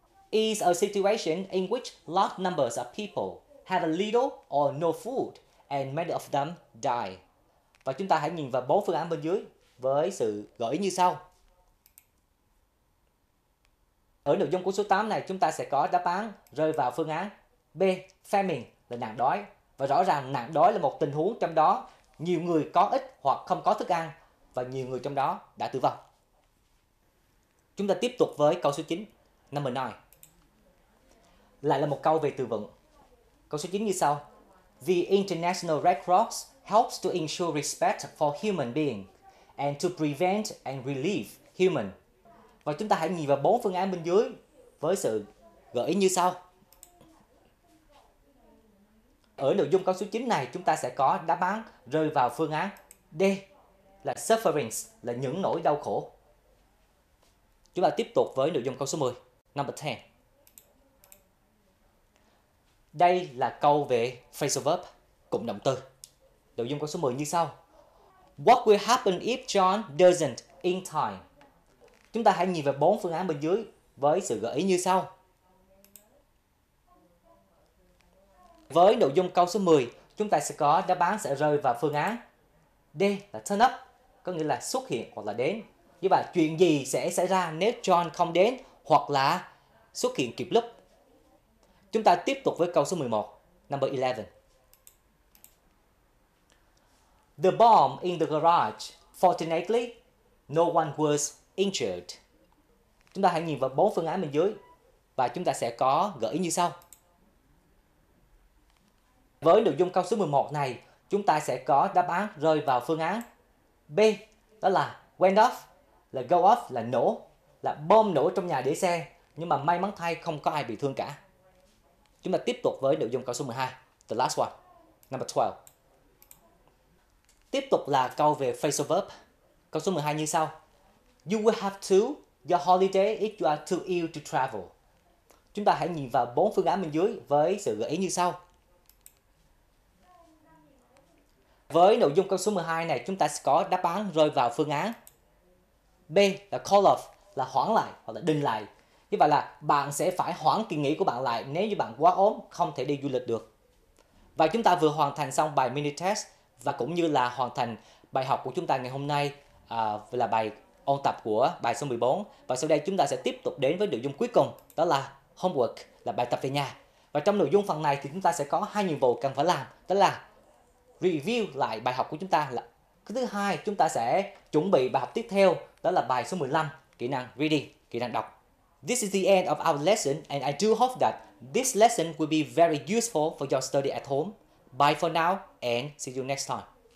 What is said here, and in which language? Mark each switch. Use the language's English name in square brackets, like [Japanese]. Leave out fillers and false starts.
[English] Is a situation in which large numbers of people have a little or no food and many of them die. [Vietnamese] Và chúng ta hãy nhìn vào 4 phương án bên dưới với sự gợi như sau. Ở nội dung câu số 8 này, chúng ta sẽ có đáp án rơi vào phương án B, famine, là nạn đói. Và rõ ràng nạn đói là một tình huống trong đó nhiều người có ít hoặc không có thức ăn và nhiều người trong đó đã tử vong. Chúng ta tiếp tục với câu số 9, [English] number 9. [Vietnamese] Lại là một câu về từ vựng. Câu số 9 như sau. [English] The International Red Cross helps to ensure respect for human being and to prevent and relieve human. [Vietnamese] Và chúng ta hãy nhìn vào bốn phương án bên dưới với sự gợi ý như sau. Ở nội dung câu số 9 này, chúng ta sẽ có đáp án rơi vào phương án D là sufferings, là những nỗi đau khổ. Chúng ta tiếp tục với nội dung câu số 10. [English] Number 10. [Vietnamese] Đây là câu về phrasal verb, cụm động từ. Nội dung câu số 10 như sau. [English] What will happen if John doesn't in time? [Vietnamese] Chúng ta hãy nhìn vào bốn phương án bên dưới với sự gợi ý như sau. Với nội dung câu số 10, chúng ta sẽ có đáp án sẽ rơi vào phương án D là turn up, có nghĩa là xuất hiện hoặc là đến. Như vậy, chuyện gì sẽ xảy ra nếu John không đến hoặc là xuất hiện kịp lúc? Chúng ta tiếp tục với câu số 11, [English] number 11. The bomb in the garage, fortunately, no one was injured. [Vietnamese] Chúng ta hãy nhìn vào bốn phương án bên dưới và chúng ta sẽ có gợi ý như sau. Với nội dung câu số 11 này, chúng ta sẽ có đáp án rơi vào phương án B, đó là went off, là go off, là nổ, là bom nổ trong nhà để xe, nhưng mà may mắn thay không có ai bị thương cả. Chúng ta tiếp tục với nội dung câu số 12, [English] the last one, number 12. [Vietnamese] Tiếp tục là câu về phrasal verb. Câu số 12 như sau. [English] You will have to your holiday if you are too ill to travel. [Vietnamese] Chúng ta hãy nhìn vào bốn phương án bên dưới với sự gợi ý như sau. Với nội dung câu số 12 này, chúng ta sẽ có đáp án rơi vào phương án B là call off, là hoãn lại hoặc là đình lại. Như vậy là bạn sẽ phải hoãn kỳ nghỉ của bạn lại nếu như bạn quá ốm, không thể đi du lịch được. Và chúng ta vừa hoàn thành xong bài mini test và cũng như là hoàn thành bài học của chúng ta ngày hôm nay, là bài ôn tập của bài số 14. Và sau đây chúng ta sẽ tiếp tục đến với nội dung cuối cùng, đó là homework, là bài tập về nhà. Và trong nội dung phần này thì chúng ta sẽ có hai nhiệm vụ cần phải làm, đó là review lại bài học của chúng ta. Thứ hai, chúng ta sẽ chuẩn bị bài học tiếp theo, đó là bài số 15, kỹ năng reading, kỹ năng đọc. [English] This is the end of our lesson, and I do hope that this lesson will be very useful for your study at home. Bye for now, and see you next time.